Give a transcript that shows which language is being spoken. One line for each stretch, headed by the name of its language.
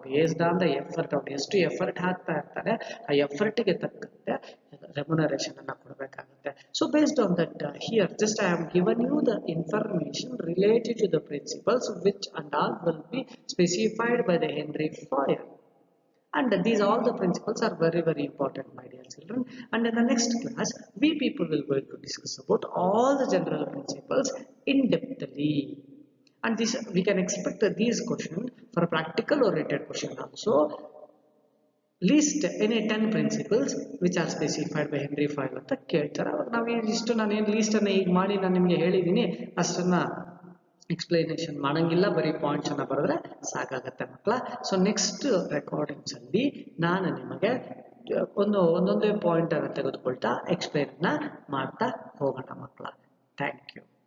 Kannada: Based on the effort, ಅವ್ರು ಎಷ್ಟು effort ಹಾಕ್ತಾ ಇರ್ತಾರೆ ಆ ಎಫರ್ಟ್ಗೆ ತಕ್ಕಂತೆ ರೆಮ್ಯುನರೇಷನ್ ಅನ್ನು ಕೊಡಬೇಕಾಗುತ್ತೆ.
English: So based on that here just I am given you the information related to the principles which and all will be specified by the Henri Fayol. And these all the principles are very, very important, my dear children. And in the next class, we people will going to discuss about all the general principles in-depthly. And this, we can expect these questions for a practical oriented question also. List any 10 principles which are specified by Henri Fayol
Kannada: ಅಂತ ಕೇಳ್ತಾರೆ. ಅವಾಗ ನಾವು ಇಷ್ಟು ನಾನೇನು ಲೀಸ್ಟನ್ನು ಈಗ ಮಾಡಿ ನಾನು ನಿಮಗೆ ಹೇಳಿದ್ದೀನಿ ಅಷ್ಟನ್ನು ಎಕ್ಸ್ಪ್ಲನೇಷನ್ ಮಾಡೋಂಗಿಲ್ಲ, ಬರೀ ಪಾಯಿಂಟ್ಸನ್ನು ಬರೆದ್ರೆ ಸಾಕಾಗತ್ತೆ ಮಕ್ಕಳ. ಸೊ ನೆಕ್ಸ್ಟ್ ರೆಕಾರ್ಡಿಂಗ್ಸಲ್ಲಿ ನಾನು ನಿಮಗೆ ಒಂದೊಂದೇ ಪಾಯಿಂಟನ್ನು ತೆಗೆದುಕೊಳ್ತಾ ಎಕ್ಸ್ಪ್ಲೇನನ್ನು ಮಾಡ್ತಾ ಹೋಗೋಣ ಮಕ್ಕಳ.
English: Thank you.